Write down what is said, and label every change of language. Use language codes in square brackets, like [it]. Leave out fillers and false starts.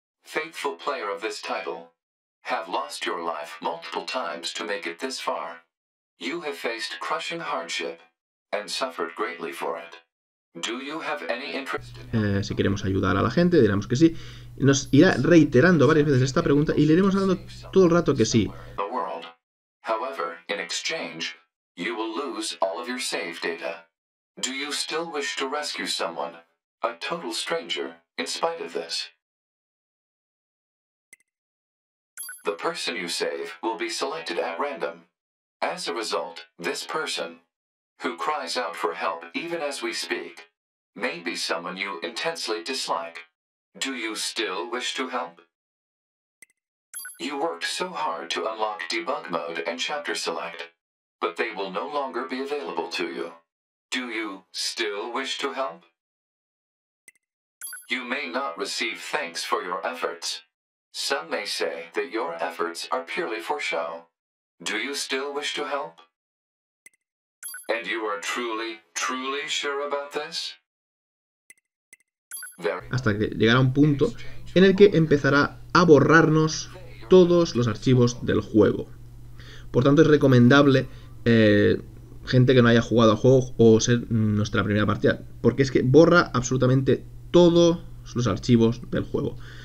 [en] Faithful player of this title, have lost your life multiple times to make it this far. You have faced crushing hardship and suffered greatly for it. Do you have any interest? [es] Si queremos ayudar a la gente, diremos que sí. Nos irá reiterando varias veces esta pregunta y le iremos dando todo el rato que sí. [en] However, in exchange, you will lose all of your save data. Do you still wish to rescue someone, a total stranger, in spite of this? The person you save will be selected at random. As a result, this person, who cries out for help even as we speak, may be someone you intensely dislike. Do you still wish to help? You worked so hard to unlock debug mode and chapter select, but they will no longer be available to you. Do you still wish to help? You may not receive thanks for your efforts. Some may say that your efforts are purely for show. Do you still wish to help? And you are truly, truly sure about this? [es] Hasta que llegará un punto en el que empezará a borrarnos todos los archivos del juego. Por tanto, es recomendable gente que no haya jugado al juego o ser nuestra primera partida, porque es que borra absolutamente todos los archivos del juego.